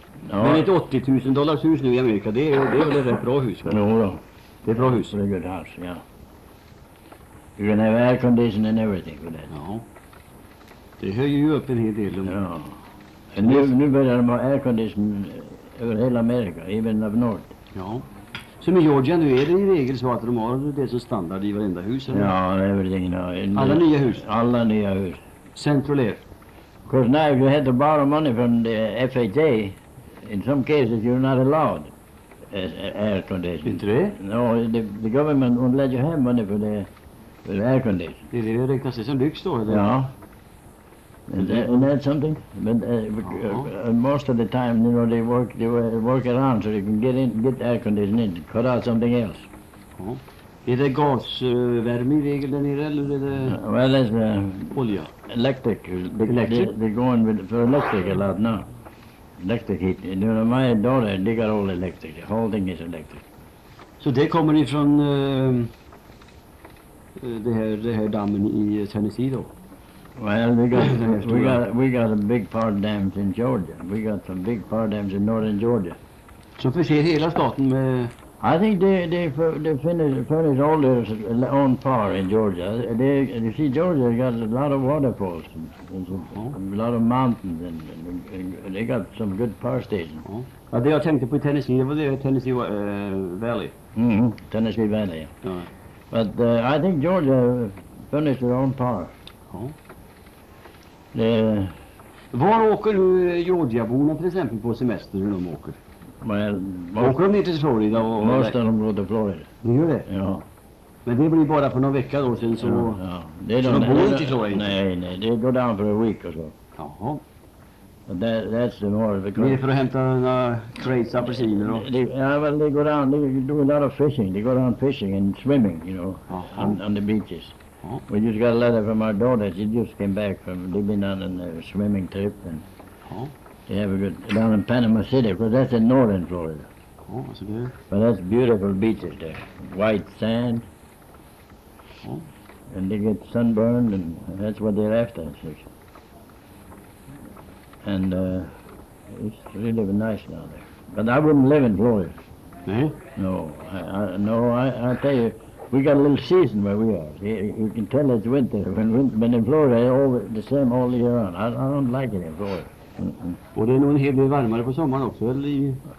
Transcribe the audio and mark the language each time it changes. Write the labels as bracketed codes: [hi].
[sv] Men ett 80 000 dollars hus nu i Amerika, det är väl ett rätt bra hus? Jo då. Det är bra hus. Det är [en] good house, [sv] ja. [en] You can have air condition and everything for that. [sv] Ja. Det höjer ju upp en hel del. Ja. Nu börjar de ha air condition över hela Amerika, även av norr. Ja. Så med Georgia nu är det i regel så att de har det som standard i varenda hus? [en] Eller? Ja, everything. No. [sv] Alla nya hus? Alla nya hus. [en] Central air. Because now if you had to borrow money from the FHA, in some cases you're not allowed air condition. [sv] Inte det? [en] No, the government won't let you have money for the air condition. [sv] Det är det räknas det som lyx då? Eller? [en] Ja. And that's something. But most of the time, you know, they work around so they can get air conditioning in, cut out something else. [sv] Uh-huh. [en] Is there [sv] gasvärme in regel där nere eller är det? [en] Well, it's [sv] olja. [en] Electric. They're going for electric a lot now. Electric heat. You know, my daughter, they got all electric. The whole thing is electric. [sv] Så det kommer ifrån det här dammen i Tennessee då? [en] Well, we got a big power dams in Georgia. We got some big power dams in northern Georgia. [sv] Så förser hela staten med. [en] I think they finish all their own power in Georgia. You see, Georgia got a lot of waterfalls and a lot of mountains and they got some good power stations. [sv] Ja, det jag tänkte på Tennessee, det var det Tennessee Valley. [en] Tennessee Valley. Yeah. But I think Georgia finished their own power. [sv] Var åker du Georgia-borna till exempel på semester när de åker? Åker de ner till Florida? [en] Most of them go to Florida. [sv] Ni gör det? Ja. Men det blir bara för några veckor då sen så... Ja, ja. De bor inte i Florida. [en] They go down for a week or so. [sv] Jaha. [en] But that's the more of the [sv] crazy. Det är för att hämta några crates apelsiner då? [en] Ja, well, they go down, they do a lot of fishing. They go down fishing and swimming, you know, on the beaches. We just got a letter from our daughter. She just came back from living on a swimming trip, and they have a good down in Panama City, because that's in northern Florida. But that's beautiful beaches there, white sand, and they get sunburned, and that's what they're after. And it's really nice down there. But I wouldn't live in Florida. No, I tell you. We got a little season where we are. You can tell it's winter. When in Florida, the same all year round. I don't like it in Florida. [sv] Och det är nog en hel del varmare på sommaren också, eller i